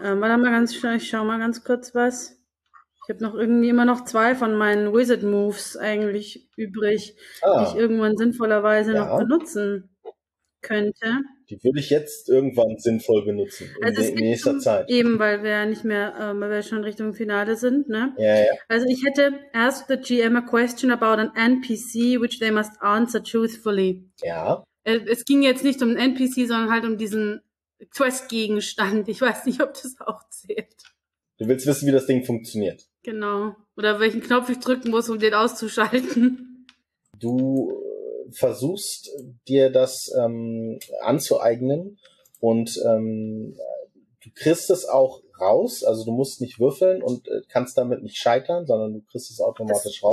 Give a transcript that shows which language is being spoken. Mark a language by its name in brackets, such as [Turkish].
[German] Warte mal ganz schnell, ich schau mal ganz kurz was. Ich habe noch irgendwie immer noch zwei von meinen Wizard Moves eigentlich übrig, die ich irgendwann sinnvollerweise noch benutzen könnte. Die würde ich jetzt irgendwann sinnvoll benutzen, in nächster Zeit. Eben, weil wir ja nicht mehr, weil wir schon Richtung Finale sind, ne? Ja, ja. Also ich hätte, [English] ask the GM a question about an NPC, which they must answer truthfully. [German] Ja. Es ging jetzt nicht um einen NPC, sondern halt um diesen Quest-Gegenstand. Ich weiß nicht, ob das auch zählt. Du willst wissen, wie das Ding funktioniert. Genau. Oder welchen Knopf ich drücken muss, um den auszuschalten. Du versuchst dir das anzueignen und du kriegst es auch raus, also du musst nicht würfeln und kannst damit nicht scheitern, sondern du kriegst es automatisch raus.